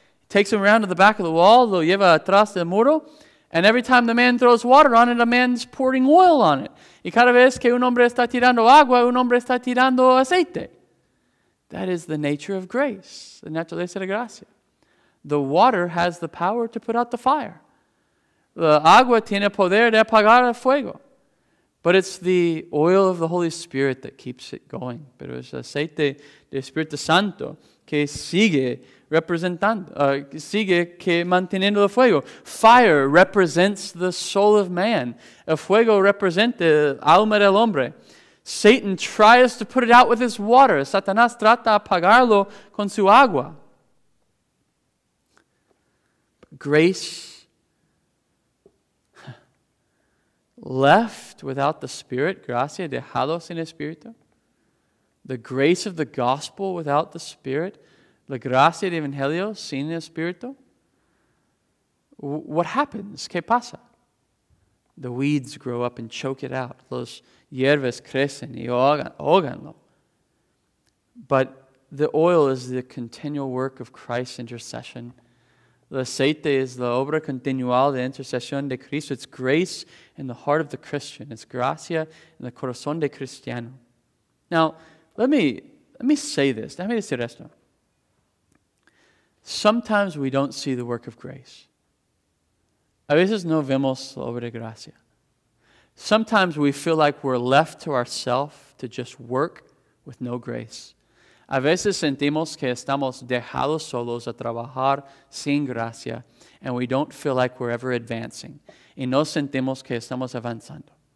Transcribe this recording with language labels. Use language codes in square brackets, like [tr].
[en] Takes him around to the back of the wall, [es] lo lleva atrás del muro, [en] and every time the man throws water on it, a man's pouring oil on it. [es] Y cada vez que un hombre está tirando agua, un hombre está tirando aceite. [en] That is the nature of grace, [es] the naturaleza de gracia. [en] The water has the power to put out the fire. [es] The agua tiene poder de apagar el fuego. [en] But it's the oil of the Holy Spirit that keeps it going. [es] Pero es aceite del Espíritu Santo que sigue representando, sigue que manteniendo el fuego. [en] Fire represents the soul of man. [es] El fuego representa el alma del hombre. [en] Satan tries to put it out with his water. [es] Satanás trata de apagarlo con su agua. [en] Grace, left without the Spirit, [es] gracia dejado sin espíritu. [en] The grace of the gospel without the Spirit, [es] la gracia del Evangelio sin el Espíritu. [en] What happens? [es] ¿Qué pasa? [en] The weeds grow up and choke it out. [es] Los hierbas crecen y ahoganlo. [en] But the oil is the continual work of Christ's intercession. [es] El aceite es la obra continual de intercesión de Cristo. [en] It's grace in the heart of the Christian. [es] It's gracia en el corazón de cristiano. [en] Now, let me say this. [es] Déjame decir esto. [en] Sometimes we don't see the work of grace. [es] A veces no vemos la obra de gracia. [en] Sometimes we feel like we're left to ourselves to just work with no grace. [es] A veces sentimos que estamos dejados solos a trabajar sin gracia, [en] and we don't feel like we're ever advancing. [es] Y no sentimos que estamos avanzando.